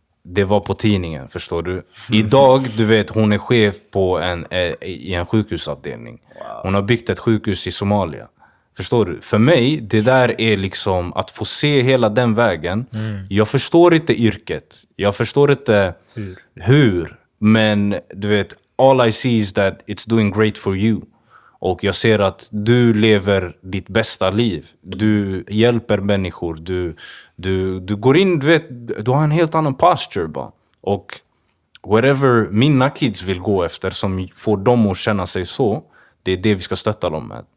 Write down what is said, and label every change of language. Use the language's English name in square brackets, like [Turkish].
[Swedish] Det var på tidningen, förstår du? Idag, du vet, hon är chef på en sjukhusavdelning. Wow. Hon har byggt ett sjukhus i Somalia. Förstår du? För mig, det där är liksom att få se hela den vägen. Mm. Jag förstår inte yrket. Jag förstår inte hur. Men du vet, [English] all I see is that it's doing great for you. [Swedish] Och jag ser att du lever ditt bästa liv. Du hjälper människor. Du går in, du vet, du har en helt annan posture bara. Och whatever mina kids vill gå efter som får dem att känna sig så, det är det vi ska stötta dem med.